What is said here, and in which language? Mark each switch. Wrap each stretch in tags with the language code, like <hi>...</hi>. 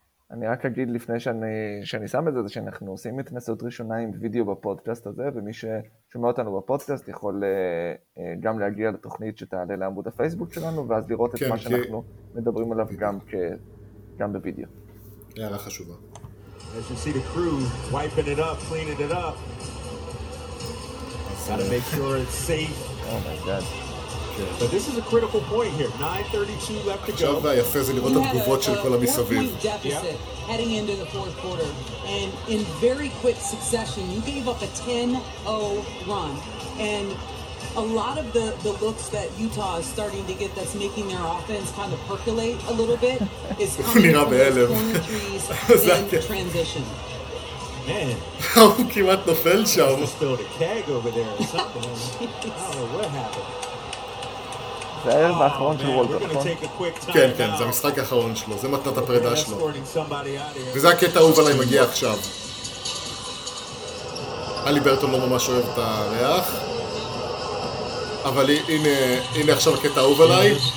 <he>אני רק אגיד לפני שאני שם את זה, זה שאנחנו עושים את נסעות ראשונה עם וידאו בפודקאסט הזה, ומי ששומע אותנו בפודקאסט, יכול גם להגיע לתוכנית שתעלה לעמוד הפייסבוק שלנו, ואז לראות כן, את מה שאנחנו מדברים עליו גם בוידאו. הערה חשובה.</he> <en>As you see the crew wiping it up, cleaning it up. Gotta make sure it's safe. Oh my god. But this is a critical point here. 9:32 left to go.</en> <he>עכשיו היפה זה לראות התגובות של כל המסביב.</he> <en>Heading into the fourth quarter and in very quick succession you gave up a 10-0 run. And a lot of the looks that Utah is starting to get that's making their offense kind of percolate a little bit is coming from corner threes and transition. Man.</en> <he>הוא כמעט נופל שם.</he> <en>He just stole a keg over there or something. I don't know what happened.</en> <he>זה האחרון של וולטר, נכון? כן, כן, זה המשחק האחרון שלו. זה מתנת הפרידה שלו. וזה הקטע האהוב עליי מגיע עכשיו. אלי ברטון לא ממש אוהב את הריח. אבל הנה עכשיו הקטע האהוב עליי.</he>